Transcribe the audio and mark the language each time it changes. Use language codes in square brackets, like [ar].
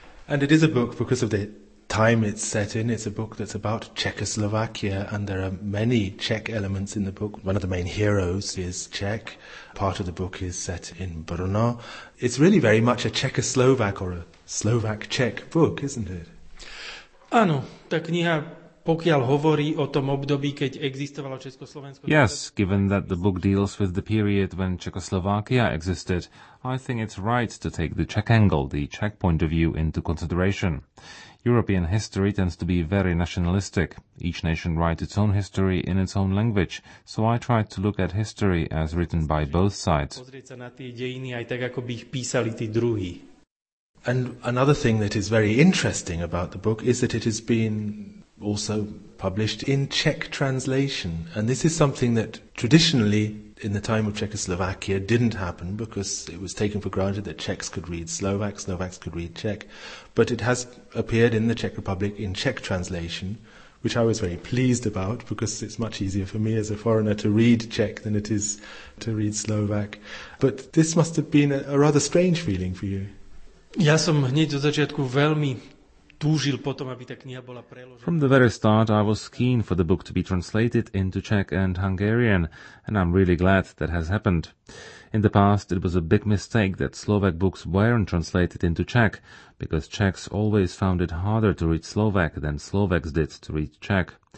[en] And it is a book because of the time it's set in, it's a book that's about Czechoslovakia, and there are many Czech elements in the book. One of the main heroes is Czech. Part of the book is set in Brno. It's really very much a Czechoslovak or a Slovak-Czech book, isn't it? [sk] Áno, tá kniha, pokiaľ hovorí o tom období, keď existovalo Československo. [en] Yes, given that the book deals with the period when Czechoslovakia existed, I think it's right to take the Czech angle, the Czech point of view, into consideration. European history tends to be very nationalistic. Each nation writes its own history in its own language, so I try to look at history as written by both sides. [sk] Pozrieť sa na tie dejiny aj tak, ako by ich písali tí druhí. [en] And another thing that is very interesting about the book is that it has been also published in Czech translation. And this is something that traditionally in the time of Czechoslovakia didn't happen because it was taken for granted that Czechs could read Slovak, Slovaks could read Czech. But it has appeared in the Czech Republic in Czech translation, which I was very pleased about because it's much easier for me as a foreigner to read Czech than it is to read Slovak. But this must have been a rather strange feeling for you. [sk] Ja som hneď do začiatku veľmi túžil potom, aby tá kniha bola preložená. [en] From the very start, I was keen for the book to be translated into Czech and Hungarian, and I'm really glad that has happened. In the past, it was a big mistake that Slovak books weren't translated into Czech, because Czechs always found it harder to read Slovak than Slovaks did to read Czech.